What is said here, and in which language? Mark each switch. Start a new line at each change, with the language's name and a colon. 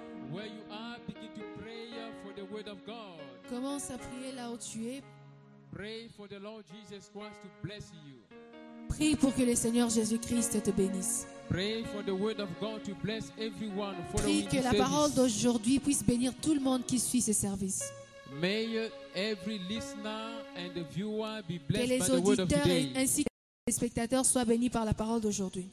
English: Where you are, begin to pray for the word of God.
French: Commence à prier là où tu es.
English: Pray for the Lord Jesus Christ to bless you.
French: Prie pour que le Seigneur Jésus-Christ te bénisse.
English: Pray for the word of God to bless everyone.
French: Prie que la parole d'aujourd'hui puisse bénir tout le monde qui suit ce service.
English: May every listener and the viewer be blessed by the word of today.
French: Que les auditeurs ainsi que les spectateurs soient bénis par la parole d'aujourd'hui.